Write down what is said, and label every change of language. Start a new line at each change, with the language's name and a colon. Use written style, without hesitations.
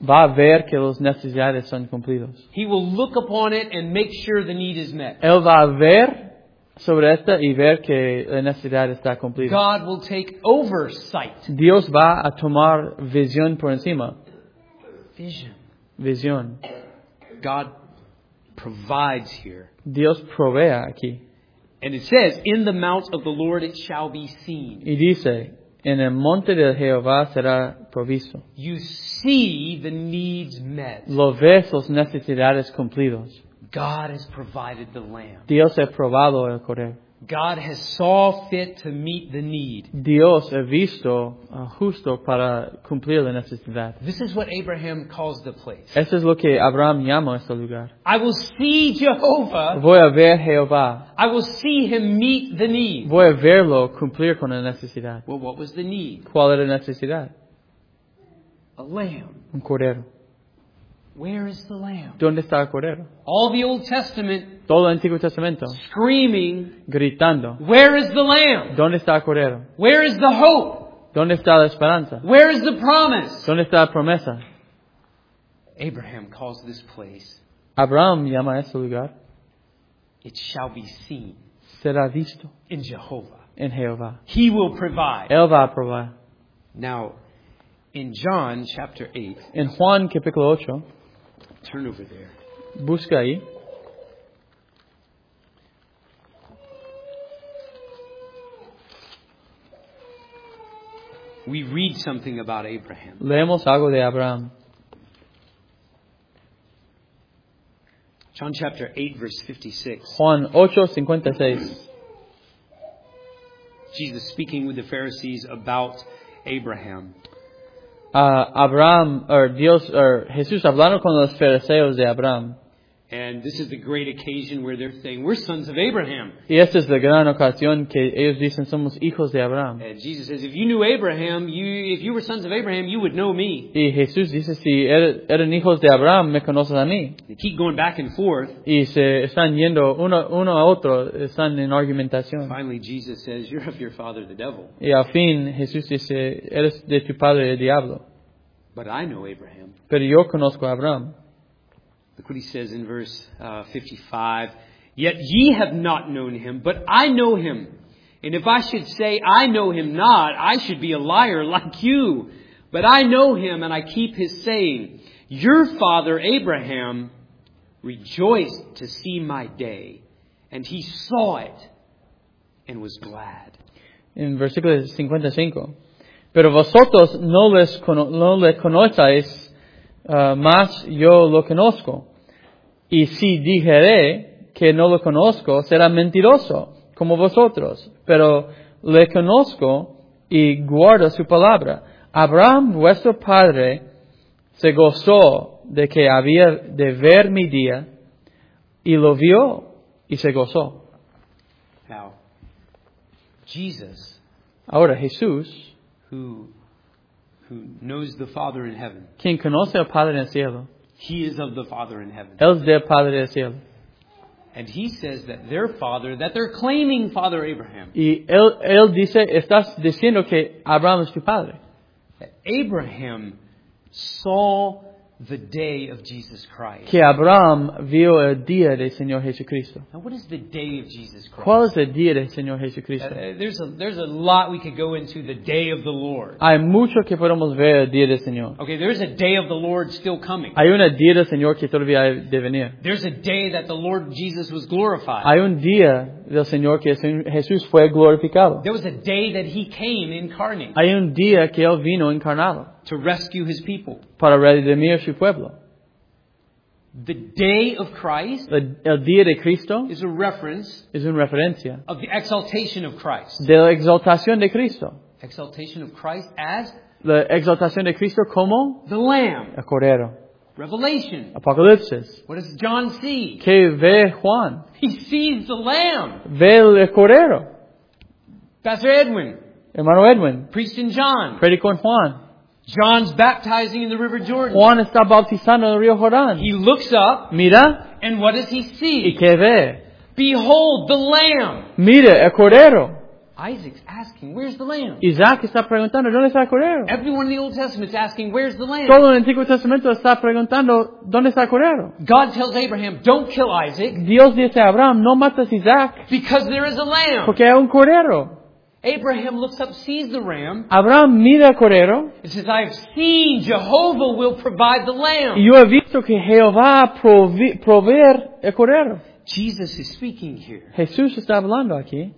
Spanish: Va a ver que los necesidades son cumplidos.
English: He will look upon it and make sure the need is met.
Spanish: Él va a ver sobre esta y ver que la necesidad está cumplida.
English: God will take oversight.
Spanish: Dios va a tomar visión por encima.
English: Vision. God provides here.
Spanish: Dios provee aquí.
English: And it says, in the mount of the Lord it shall be seen.
Spanish: Y dice, en el monte de Jehová será provisto.
English: You see the needs met.
Spanish: Lo ves las necesidades cumplidas.
English: God has provided the lamb.
Spanish: Dios ha probado el cordero.
English: God has saw fit to meet the need.
Spanish: Dios ha visto justo para cumplir la necesidad.
English: This is what Abraham calls the place.
Spanish: Eso es lo que Abraham llama este lugar.
English: I will see Jehovah.
Spanish: Voy a ver Jehová.
English: I will see him meet the need.
Spanish: Voy a verlo cumplir con la necesidad.
English: Well, what was the need?
Spanish: ¿Cuál era la necesidad?
English: A lamb.
Spanish: Un cordero.
English: Where is the lamb?
Spanish: ¿Dónde está el cordero?
English: All the Old Testament.
Spanish: Todo el Antiguo Testamento.
English: Screaming.
Spanish: Gritando.
English: Where is the lamb?
Spanish: ¿Dónde está el cordero?
English: Where is the hope?
Spanish: ¿Dónde está la esperanza?
English: Where is the promise?
Spanish: ¿Dónde está la promesa?
English: Abraham calls this place.
Spanish: Abraham llama a este lugar.
English: It shall be seen.
Spanish: Será visto.
English: In Jehovah.
Spanish: En Jehová.
English: He will provide.
Spanish: Él va a proveer.
English: Now, in John chapter 8.
Spanish: En Juan capítulo 8.
English: Turn over there.
Spanish: Busca ahí.
English: We read something about Abraham.
Spanish: Leemos algo de Abraham.
English: John chapter 8 verse 56.
Spanish: Juan 8:56.
English: Jesus speaking with the Pharisees about Abraham.
Spanish: Abraham, or Dios, or Jesús hablando con los fariseos de Abraham.
English: And this is the great occasion where they're saying, we're sons of Abraham.
Spanish: Y esta es la gran ocasión que ellos dicen, somos hijos de Abraham.
English: And Jesus says, if you knew Abraham, if you were sons of Abraham, you would know me.
Spanish: Y Jesús dice, si eran hijos de Abraham, me conoces a mí.
English: They keep going back and forth.
Spanish: Y se están yendo uno a otro, están en argumentación.
English: Finally, Jesus says, you're of your father, the devil.
Spanish: Y al fin, Jesús dice, eres de tu padre, el diablo.
English: But I know Abraham.
Spanish: Pero yo conozco a Abraham.
English: Look what he says in verse 55. Yet ye have not known him, but I know him. And if I should say, I know him not, I should be a liar like you. But I know him, and I keep his saying. Your father Abraham rejoiced to see my day, and he saw it and was glad. In
Spanish: versículo 55. Pero vosotros no le conocéis, mas yo lo conozco. Y si dijere que no lo conozco, será mentiroso, como vosotros. Pero le conozco y guardo su palabra. Abraham, vuestro padre, se gozó de que había de ver mi día, y lo vio, y se gozó.
English: Now, Jesus,
Spanish: ahora Jesús,
English: who knows the Father in heaven,
Spanish: quien conoce al Padre en el cielo,
English: he is of the Father in heaven.
Spanish: Él es del Padre del cielo.
English: And he says that their father, that they're claiming father Abraham.
Spanish: Y él dice, estás diciendo que Abraham es tu padre.
English: Abraham saw the day of Jesus Christ.
Spanish: Que Abraham vio el día del Señor Jesucristo.
English: Now, what is the day of Jesus Christ?
Spanish: ¿Cuál es el día del Señor Jesucristo?
English: There's a lot we could go into the day of the Lord.
Spanish: Hay mucho que podemos ver el día del Señor.
English: Okay, there's a day of the Lord still coming.
Spanish: Hay un día del Señor que todavía hay de venir.
English: There's a day that the Lord Jesus was glorified.
Spanish: Hay un día del Señor que Jesús fue glorificado.
English: There was a day that he came incarnate.
Spanish: Hay un día que él vino encarnado.
English: To rescue his people.
Spanish: Para redimir su pueblo.
English: The day of Christ.
Spanish: El día de Cristo.
English: Is a reference.
Spanish: Es una referencia.
English: Of the exaltation of Christ.
Spanish: De la exaltación de Cristo.
English: Exaltation of Christ as.
Spanish: La exaltación de Cristo como.
English: The Lamb.
Spanish: El Cordero.
English: Revelation.
Spanish: Apocalipsis.
English: What does John see?
Spanish: Que ve Juan.
English: He sees the Lamb.
Spanish: Ve el Cordero.
English: Pastor Edwin.
Spanish: Hermano Edwin.
English: Priest in John.
Spanish: Predicó en Juan.
English: John's baptizing in the River Jordan.
Spanish: Juan está bautizando en el río Jordán.
English: He looks up.
Spanish: Mira.
English: And what does he see?
Spanish: ¿Y qué ve?
English: Behold the Lamb.
Spanish: Mira, el Cordero.
English: Isaac's asking, where's the Lamb?
Spanish: Isaac está preguntando, ¿dónde está el Cordero?
English: Everyone in the Old Testament is asking, where's the Lamb?
Spanish: Todo en el Antiguo Testamento está preguntando, ¿dónde está el Cordero?
English: God tells Abraham, don't kill Isaac.
Spanish: Dios dice a Abraham, no matas a Isaac.
English: Because there is a Lamb.
Spanish: Porque hay un Cordero.
English: Abraham looks up, sees the ram.
Spanish: Abraham mira el Cordero.
English: He says, I've seen Jehovah will provide the lamb.
Spanish: Yo he visto que Jehová proveer el Cordero.
English: Jesus is speaking here.
Spanish: Jesús está hablando aquí.